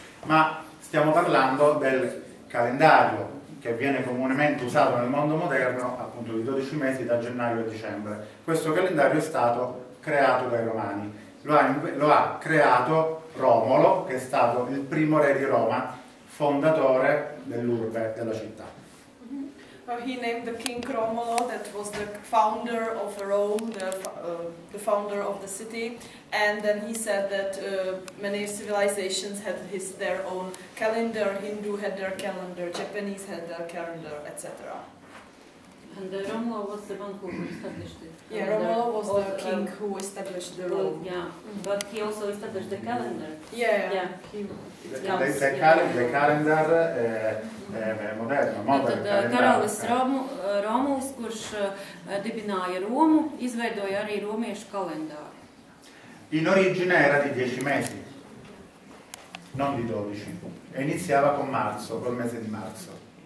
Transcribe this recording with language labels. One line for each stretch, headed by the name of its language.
Italian: Ma stiamo parlando del calendario che viene comunemente usato nel mondo moderno, appunto di 12 mesi da gennaio a dicembre. Questo calendario è stato creato dai Romani. Lo ha creato Romolo, che è stato il primo re di Roma, fondatore dell'urbe, della città.
English: He named the king Romolo, that was the founder of Rome, the founder of the city, and then he said that many civilizations had their own calendar, Hindu had their calendar, Japanese had their calendar, etc. And Romolo was the one who established it. Yeah, Romolo was the king who established the rule. Yeah, but he also established the calendar. Yeah. The calendar moderno, modern.
Latvian: Tad karalis Romulus, kurš dibināja Romu, izveidoja arī romiešu kalendāru.
Italian: In origine era di 10 mesi, non di 12. E iniziava con marzo, col mese di marzo.